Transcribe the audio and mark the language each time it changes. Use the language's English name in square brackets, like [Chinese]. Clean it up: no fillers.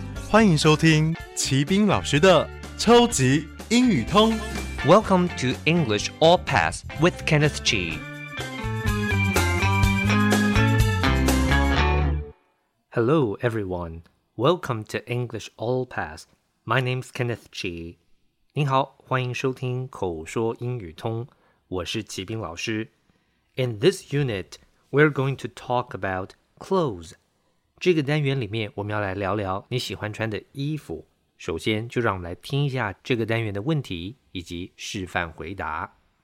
[Chinese] 欢迎收听齐斌老师的超级英语通。 [English] Welcome to English All Pass with Kenneth G. Hello, everyone. Welcome to English All Pass. My name's Kenneth G. [Chinese] 您好，欢迎收听口说英语通。我是齐斌老师。 [English] In this unit, we're going to talk about clothes. [Chinese] 这个单元里面，我们要来聊聊你喜欢穿的衣服。首先，就让我们来听一下这个单元的问题以及示范回答。